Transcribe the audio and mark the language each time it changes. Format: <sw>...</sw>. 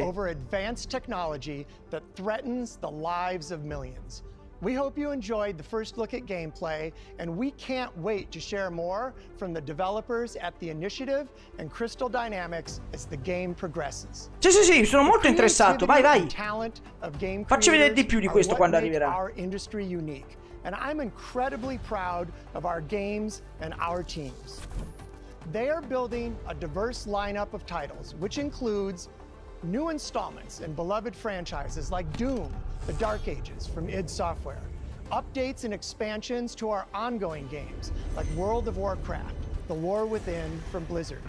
<en>Over advanced technology that threatens the lives of millions. We hope you enjoyed the first look at gameplay, and we can't wait to share more from the developers at The Initiative and Crystal Dynamics as the game progresses.</en> <it>Sì, sì, sì, sono molto interessato. Vai, vai. Facci vedere di più di questo quando arriverà.</it> <en>Our industry unique, and I'm incredibly proud of our games and our teams. They are building a diverse lineup of titles, which includes new installments in beloved franchises like Doom, The Dark Ages from id Software, updates and expansions to our ongoing games like World of Warcraft, The War Within from Blizzard.</en>